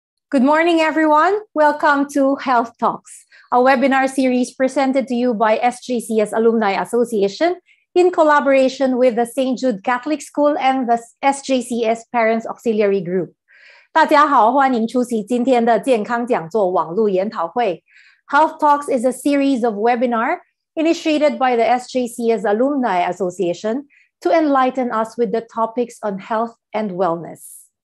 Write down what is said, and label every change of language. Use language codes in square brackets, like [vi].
[en] Good morning, everyone. Welcome to Health Talks, a webinar series presented to you by SJCS Alumni Association in collaboration with the St. Jude Catholic School and the SJCS Parents Auxiliary Group. [zh] 大家好, 欢迎出席今天的健康讲座网络研讨会。 [en] Health Talks is a series of webinars initiated by the SJCS Alumni Association to enlighten us with the topics on health and wellness.